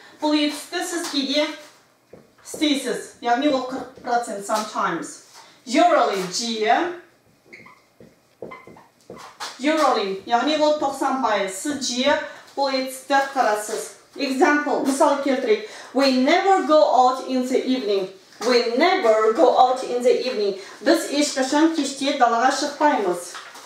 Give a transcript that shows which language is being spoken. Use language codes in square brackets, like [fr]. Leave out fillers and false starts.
[kk] Бұл етісті сіз кейде істейсіз. Яғни ол 40% [en] sometimes. Usually. [kk] Жиі. [en] Usually. [kk] Яғни ол 90%. Сіз жиі бұл етісті қарасыз. [en] Example. [kk] Мысал келтірейік. [en] We never go out in the evening. We never go out in the evening. [kk] Біз ешқашан кеште далаға шықпаймыз.